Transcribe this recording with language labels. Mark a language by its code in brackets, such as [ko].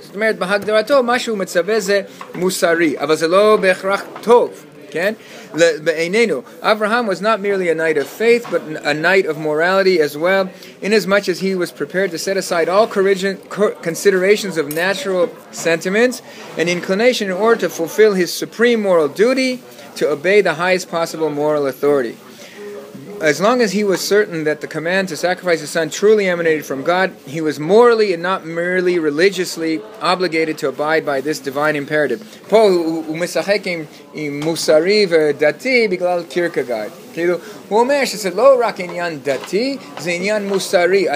[he] זאת אומרת, בהגדרתו, מה שהוא מצווה זה מוסרי, אבל זה לא בהכרח טוב. כן? בעינינו, [en] Abraham was not merely a knight of faith, but a knight of morality as well, inasmuch as he was prepared to set aside all considerations of natural sentiments and inclination in order to fulfill his supreme moral duty to obey the highest possible moral authority. as long as he was certain that the command to sacrifice his son truly emanated from God, he was morally and not merely religiously obligated to abide by this divine imperative. [he] Po u mesachekim im musari v'dati biglal kirkegaard. כאילו, הוא אומר שזה לא רק עניין דתי, זה עניין מוסרי.